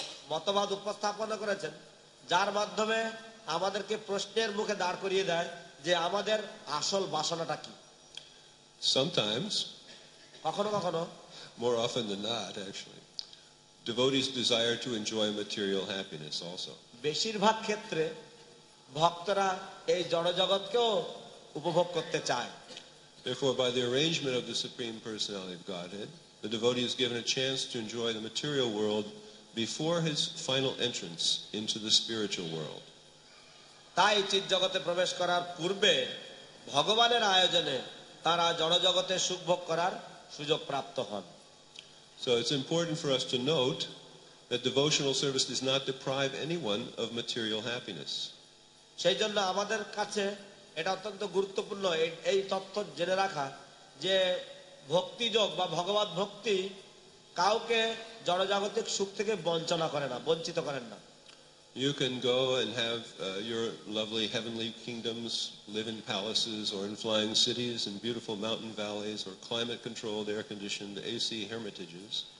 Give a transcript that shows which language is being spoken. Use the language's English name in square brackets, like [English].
[Bangla] মতবাদ উপস্থাপন করেছেন যার মাধ্যমে আমাদেরকে প্রশ্নের মুখে দাঁড় করিয়ে দেয় যে আমাদের আসল বাসনাটা কি। [English] Sometimes, [Bangla] কখনো কখনো, [English] more often than not, actually, devotees desire to enjoy material happiness also. [Bangla] বেশিরভাগ ক্ষেত্রে ভক্তরা এই জড়জগৎকেও উপভোগ করতে চায়। [English] Therefore, by the arrangement of the Supreme Personality of Godhead, the devotee is given a chance to enjoy the material world before his final entrance into the spiritual world. [Bangla] তাই চিৎ জগতে প্রবেশ করার পূর্বে ভগবানের আয়োজনে তারা জড়জগতে সুখ ভোগ করার সুযোগ প্রাপ্ত হন। [English] So it's important for us to note that devotional service does not deprive anyone of material happiness. [Bangla] সেই জন্য আমাদের কাছে এটা অত্যন্ত গুরুত্বপূর্ণ এই তথ্য জেনে রাখা যে ভক্তিযোগ বা ভগবত ভক্তি কাউকে জড়জাগতিক সুখ থেকে বঞ্চনা করে না, বঞ্চিত করেন না। [English] You can go and have your lovely heavenly kingdoms, live in palaces or in flying cities in beautiful mountain valleys or climate-controlled, air-conditioned AC hermitages.